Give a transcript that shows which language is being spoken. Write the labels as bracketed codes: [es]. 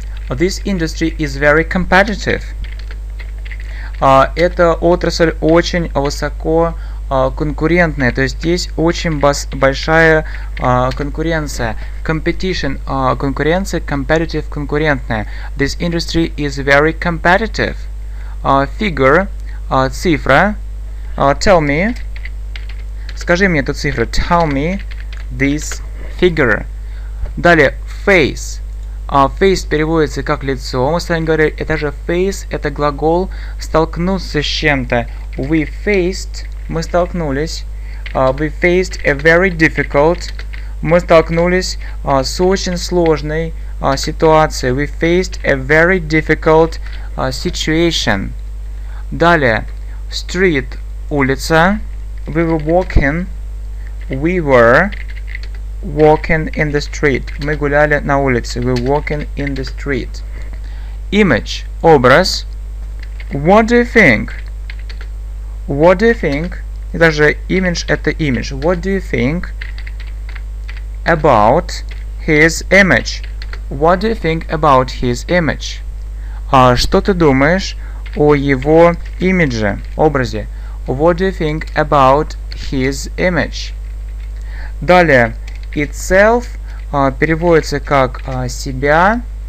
[en] This industry is very competitive. [ru] Эта отрасль очень высоко конкурентная, то есть здесь очень большая конкуренция. Competition – конкуренция, competitive – конкурентная. [en] This industry is very competitive. Figure – цифра. Tell me [ru] – скажи мне эту цифру. [en] Tell me this figure. Далее – face. [ru] Face переводится как лицо. Мы с вами говорили, это же face – это глагол «столкнуться с чем-то». [en] We faced – [ru] мы столкнулись. [en] We faced a very difficult. [ru] Мы столкнулись с очень сложной ситуацией. [en] We faced a very difficult situation. Далее. Street. Улица. We were walking. We were walking in the street. [ru] Мы гуляли на улице. [en] We were walking in the street. Image. Образ. What do you think? What do you think? [ru] И даже image – это image. [en] What do you think about his image? What do you think about his image? [ru] Что ты думаешь о его имидже, образе? [en] What do you think about his image? [ru] Далее, itself переводится как себя.